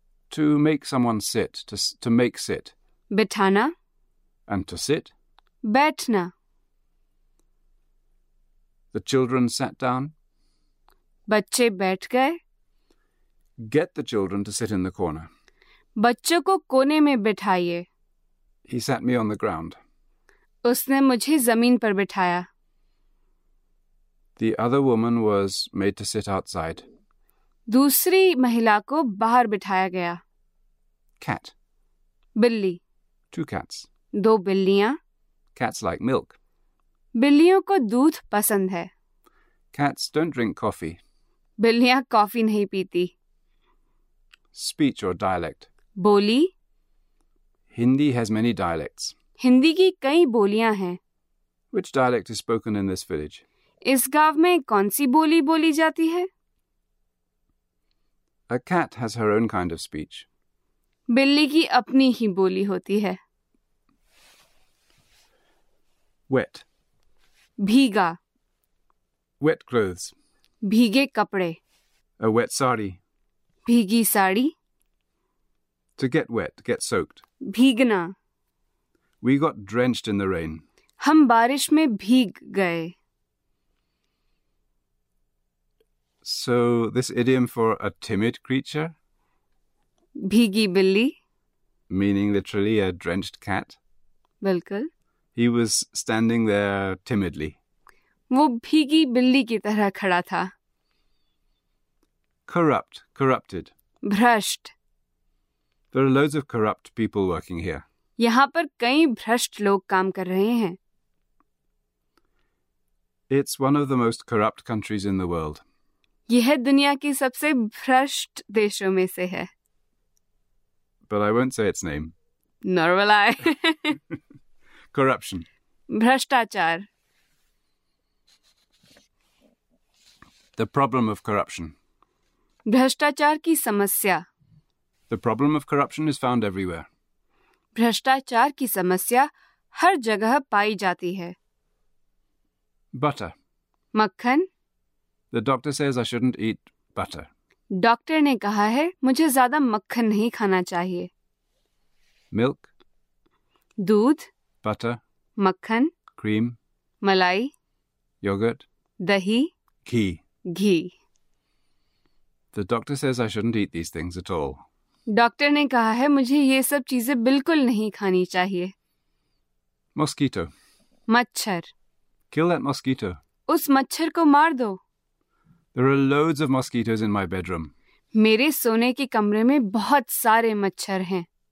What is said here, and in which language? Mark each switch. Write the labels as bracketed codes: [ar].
[en] To make someone sit, to make sit. [hi] बिठाना. [en] And to sit. [hi] बैठना. [en] The children sat down. [hi] बच्चे बैठ गए. [en] Get the children to sit in the corner. [hi] बच्चों को कोने में बिठाइए. [en] He sat me on the ground. [hi] उसने मुझे जमीन पर बिठाया. [en] The other woman was made to sit outside. [hi] दूसरी महिला को बाहर बिठाया गया. [en] Cat. [hi] बिल्ली. [en] Two cats. [hi] दो बिल्लियां. [en] Cats like milk. [hi] बिल्लियों को दूध पसंद है. [en] Cats don't drink coffee. [hi] बिल्लियां कॉफी नहीं पीती. [en] Speech or dialect. [hi] बोली. [en] Hindi has many dialects. [hi] Hindi की कई बोलियां हैं. [en] Which dialect is spoken in this village? [hi] इस गांव में कौन सी बोली बोली जाती है? [en] A cat has her own kind of speech. [hi] बिल्ली की अपनी ही बोली होती है. [en] Wet. [hi] भीगा. [en] Wet clothes. [hi] भीगे कपड़े. [en] A wet sari. [hi] भीगी sari. [en] To get wet, get soaked. [hi] भीगना. [en] We got drenched in the rain. [hi] हम बारिश में भीग गए. [en] So, this idiom for a timid creature? [hi] भीगी बिल्ली. [en] Meaning literally a drenched cat? [hi] बिल्कुल. [en] He was standing there timidly. [hi] वो भीगी बिल्ली की तरह खड़ा था. [en] Corrupt, corrupted. [hi] भ्रष्ट. [en] There are loads of corrupt people working here. [hi] यहाँ पर कई भ्रष्ट लोग काम कर रहे हैं. [en] It's one of the most corrupt countries in the world. [hi] यह दुनिया की सबसे भ्रष्ट देशों में से है. [en] But I won't say its name. Nor will I. Corruption. [hi] भ्रष्टाचार. [en] The problem of corruption. [hi] भ्रष्टाचार की समस्या. [en] The problem of corruption is found everywhere. [hi] भ्रष्टाचार की समस्या हर जगह पाई जाती है. [en] Butter. [hi] मक्खन. [en] The doctor says I shouldn't eat butter. [hi] Doctor ने कहा है मुझे ज्यादा मक्खन नहीं खाना चाहिए. [en] Milk. [hi] दूध. [en] Butter. [hi] मक्खन. [en] Cream. [hi] मलाई. [en] Yogurt. [hi] दही. [en] Ghee. [hi] Ghee. [en] The doctor says I shouldn't eat these things at all. [hi] Doctor ने कहा है मुझे ये सब चीजें बिल्कुल नहीं खानी चाहिए. [en] Mosquito. [hi] मच्छर. [en] Kill that mosquito. [hi] उस मच्छर को मार दो. [en] There are loads of mosquitoes in my bedroom. [hi] मेरे सोने के कमरे में बहुत सारे मच्छर हैं.